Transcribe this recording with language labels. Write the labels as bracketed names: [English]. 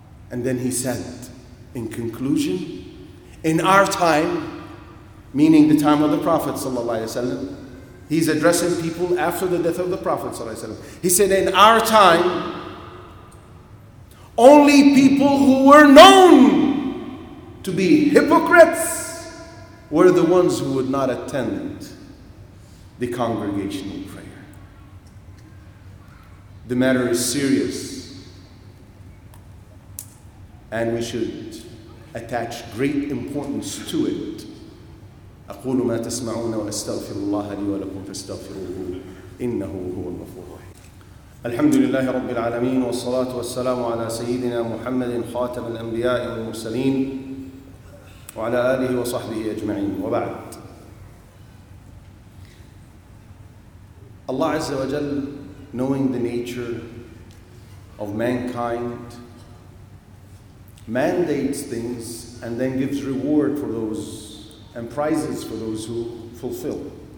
[English] And then he said, in conclusion, in our time, meaning the time of the Prophet ﷺ, he's addressing people after the death of the Prophet ﷺ. He said, in our time, only people who were known to be hypocrites were the ones who would not attend the congregational prayer. The matter is serious, and we should attach great importance to it. [Arabic] أقول ما تسمعون وأستغفر الله لي ولكم فاستغفروه إنه هو الغفور الرحيم. الحمد لله رب العالمين والصلاة والسلام على سيدنا محمد خاتم الأنبياء والمرسلين وعلى آله وصحبه أجمعين. وبعد. الله عز وجل, [English] knowing the nature of mankind, mandates things and then gives reward for those and prizes for those who fulfill.